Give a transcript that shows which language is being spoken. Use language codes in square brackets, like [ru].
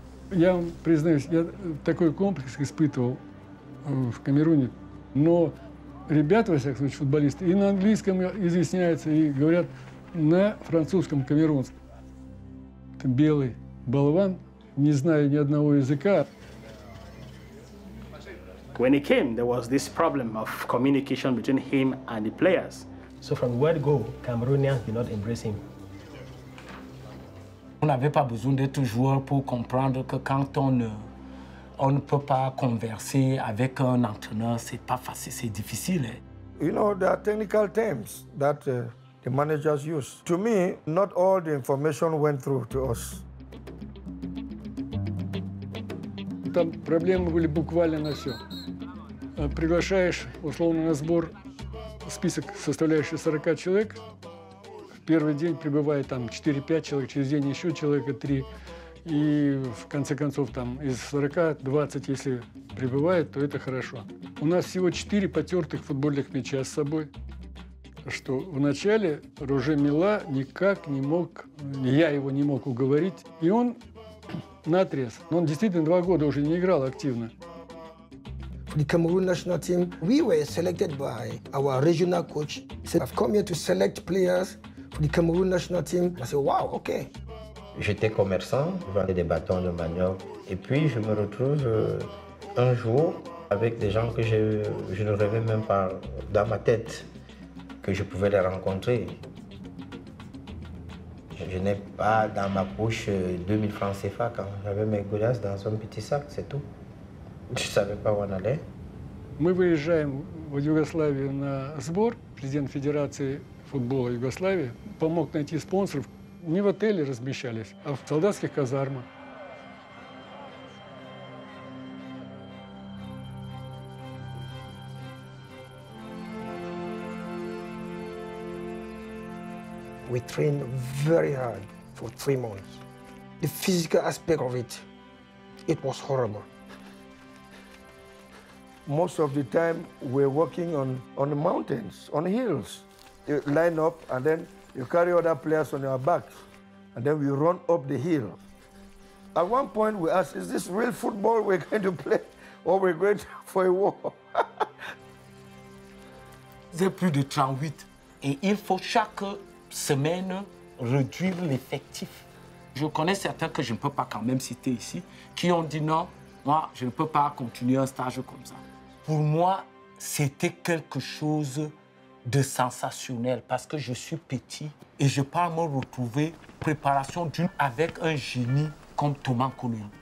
[ru] Я вам признаюсь, я такой комплекс испытывал в Камеруне, но ребята, во всяком случае, футболисты, и на английском изъясняются, и говорят на французском камерунском. Это белый болван, не зная ни одного языка. [en] When he came, there was this problem of communication between him and the players. So from word go, Cameroonians did not embrace him. [fr] On n'avait pas besoin d'être joueur pour comprendre que quand on ne peut pas converser avec un entraîneur, c'est pas facile, c'est difficile. [en] You know, there are technical terms that the managers use. To me, not all the information went through to us. [ru] Там проблемы были буквально на все. Приглашаешь, условно, на сбор список, составляющий 40 человек. В первый день прибывает там 4-5 человек, через день еще человека 3. И в конце концов там из 40, 20, если прибывает, то это хорошо. У нас всего 4 потертых футбольных мяча с собой. Что вначале Роже Мила никак не мог, я его не мог уговорить, и он наотрез. Но он действительно 2 года уже не играл активно. [en] For the Cameroon national team, we were selected by our regional coach. He said, I've come here to select players for the Cameroon national team. I said, wow, okay. [fr] J'étais commerçant, je vendais des bâtons de manioc. Et puis je me retrouve un jour avec des gens que je ne rêvais même pas dans ma tête que je pouvais les rencontrer. Je n'ai pas dans ma poche 2000 francs CFA quand j'avais mes godasses dans un petit sac, c'est tout. Je ne savais pas où on allait. [ru] Мы выезжаем в Югославию на сбор. Президент Федерации футбола Югославии помог найти спонсоров. Не в отеле размещались, а в солдатских казармах. [en] We trained very hard for 3 months. The physical aspect of it, it was horrible. Most of the time, we're working on the mountains, on the hills. You line up, and then you carry other players on your back, and then we run up the hill. At one point, we ask, is this real football we're going to play, or we're going for a war? [fr] J'ai plus de 38, et il faut chaque semaine réduire l'effectif. Je connais certains que je ne peux pas quand même citer ici, qui ont dit non, moi, je ne peux pas continuer un stage comme ça. Pour moi, c'était quelque chose de sensationnel parce que je suis petit et je pars me retrouver préparation d'une avec un génie comme Thomas Kounian.